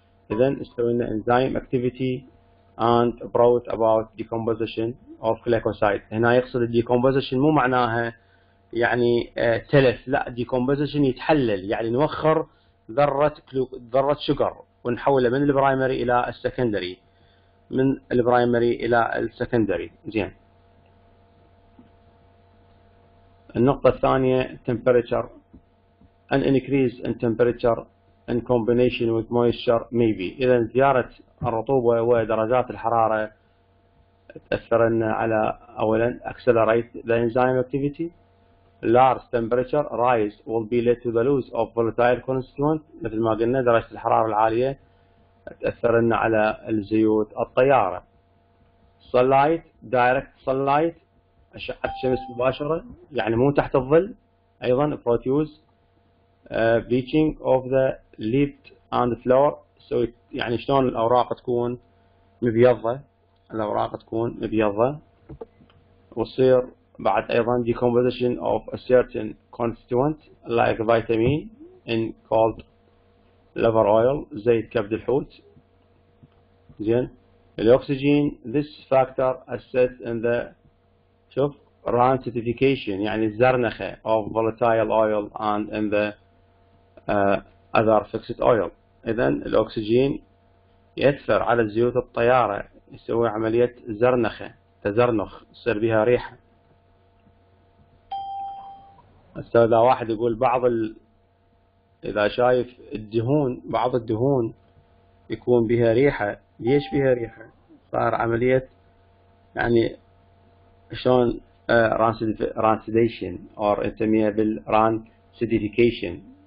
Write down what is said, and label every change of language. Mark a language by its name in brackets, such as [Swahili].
[Arabic] اذا استوينا [English] enzyme activity and brought about decomposition of glycoside. [Arabic] هنا يقصد الديكومبوزيشن مو معناها يعني تلف، لا، ديكومبوزيشن يتحلل، يعني نوخر ذره شجر ونحولها من البرايمري الى السكندري، من البرايمري الى السكندري. زين النقطه الثانيه [English] Temperature, an increase in temperature in combination with moisture maybe. [Arabic] اذا زياره الرطوبه ودرجات الحراره تأثر على أولا [English] accelerate the enzyme activity. Large temperature rise will be led to the loss of volatile constituent. [Arabic] مثل ما قلنا درجة الحرارة العالية تأثر على الزيوت الطيارة. [English] Sunlight, direct sunlight، [Arabic] أشعة الشمس مباشرة يعني مو تحت الظل، أيضا [English] produce bleaching of the leaf and flower. [Arabic] So يعني شلون الأوراق تكون مبيضة، الاوراق تكون مبيضه، وتصير بعد ايضا [English] decomposition of a certain constituent like vitamin in called liver oil، [Arabic] زيت كبد الحوت. زين الاكسجين [English] this factor assets in the [Arabic] شوف [English] rancidification [Arabic] يعني الزرنخه [English] of volatile oil and in the other fixed oil. [Arabic] اذا الاكسجين يأثر على زيوت الطياره، يسوي عملية زرنخة تزرنخ، يصير بها ريحة. هسه واحد يقول بعض إذا شايف الدهون، بعض الدهون يكون بها ريحة، ليش بها ريحة؟ صار عملية يعني شلون رانسيديشن أو نسميها بالرانسيديفيكيشن.